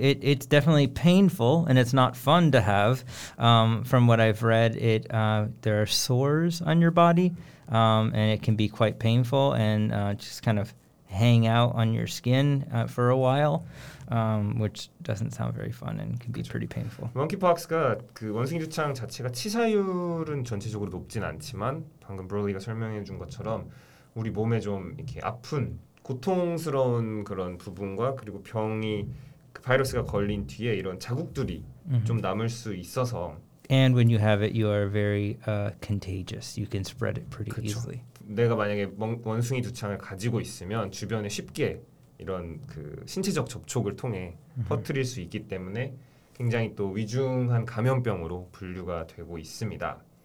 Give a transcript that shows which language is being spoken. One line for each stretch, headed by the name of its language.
English: It's definitely painful, and it's not fun to have. From what I've read, there are sores on your body, and it can be quite painful and just kind of hang out on your skin for a while, which doesn't sound very fun and can be
Korean: 그렇죠.
English: pretty painful.
Korean: Monkeypox가 그 원숭이두창 자체가 치사율은 전체적으로 높진 않지만 방금 브로리가 설명해준 것처럼 우리 몸에 좀 이렇게 아픈 고통스러운 그런 부분과 그리고 병이 그 바이러스가 걸린 뒤에 이런 자국들이 mm-hmm. 좀 남을 수 있어서
English: And when you have it, you are very contagious. You can spread it pretty
Korean: 그쵸.
English: easily.
Korean: 내가 만약에 원숭이 두창을 가지고 있으면 주변에 쉽게 이런 그 신체적 접촉을 통해 mm-hmm. 퍼뜨릴 수 있기 때문에 굉장히 또 위중한 감염병으로 분류가 되고 있습니다.